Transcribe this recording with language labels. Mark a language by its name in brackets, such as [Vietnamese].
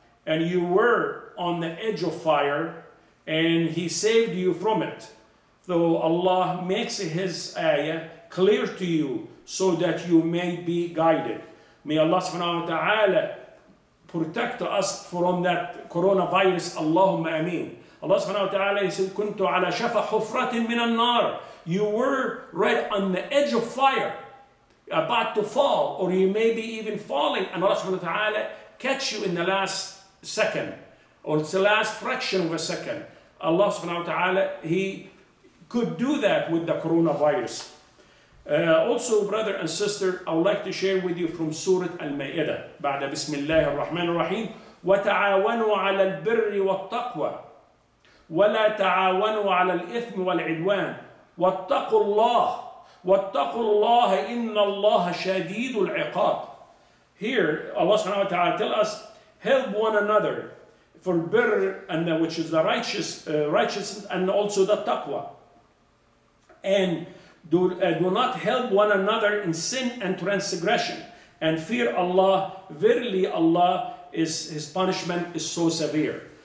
[English] And you were on the edge of fire and He saved you from it. So Allah makes His ayah clear to you so that you may be guided. May Allah subhanahu wa ta'ala protect us from that coronavirus. Allahumma ameen. [Arabic] Allah subhanahu wa ta'ala said, كنت على شفا حفرة من النار. [English] You were right on the edge of fire, about to fall, or you may be even falling, and Allah subhanahu wa ta'ala catch you in the last second, or it's the last fraction of a second. Allah subhanahu wa ta'ala, He could do that with the coronavirus. Also, brother and sister, I would like to share with you from Surah Al-Ma'idah, [Arabic] بعد بسم الله الرحمن الرحيم, وتعاونوا على البر والتقوى. ولا تعاونوا على الإثم والعدوان واتقوا الله إن الله شديد العقاب. [English] Here Allah subhanahu wa ta'ala tell us, help one another for birr, and which is the righteousness, and also the taqwa, and do not help one another in sin and transgression, and fear Allah, verily Allah is His punishment is so severe.